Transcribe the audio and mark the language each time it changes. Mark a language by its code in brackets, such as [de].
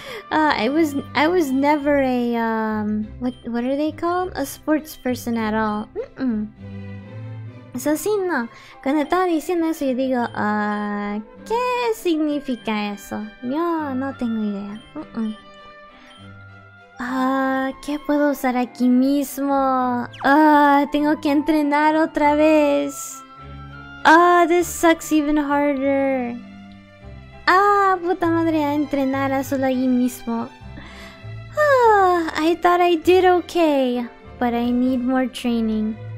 [en] I was never a what are they called? A sports person at all. [es] Eso sí, no. Cuando estaba diciendo eso, yo digo, ¿qué significa eso? Yo no tengo idea. ¿Qué puedo usar aquí mismo? Tengo que entrenar otra vez. [en] This sucks even harder. [es] Puta madre, a entrenar a solo allí mismo. [en] I thought I did okay, but I need more training.